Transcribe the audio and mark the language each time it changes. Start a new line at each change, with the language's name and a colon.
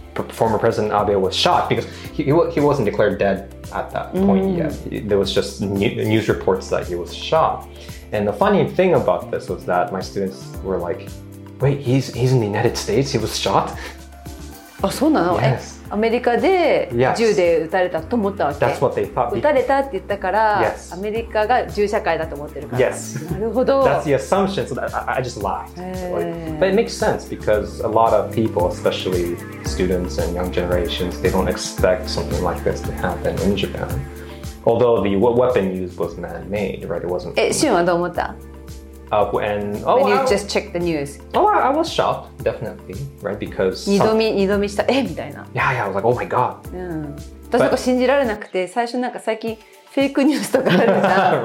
English: Former President Abe was shot because he wasn't declared dead at that point yet. There was just news reports that he was shot. And the funny thing about this was that my students were like, wait, he's in the United States? He was shot? Oh, so now? Yes.
Japanese: アメリカで銃で撃たれたと思ったわけ?
English: That's what they thought.
Japanese: 撃たれたって言ったから、 アメリカが銃社会だと思ってるから。
English: Yes.
Japanese: なるほど。
English: That's the assumption, so that I just lied. But it makes sense because a lot of people, especially students and young generations, they don't expect something like this to happen in Japan. Although the weapon used was man-made, right? It wasn't.
Japanese: え、シュンはどう思った?
English: When you just checked the news. Oh, I was shocked, definitely, right? Because
Japanese: 二度見した、え?みたいな。
English: Yeah, I was like, oh my god.
Japanese: 私なんか信じられなくて、最初なんか最近フェイクニュースとかあるじゃん。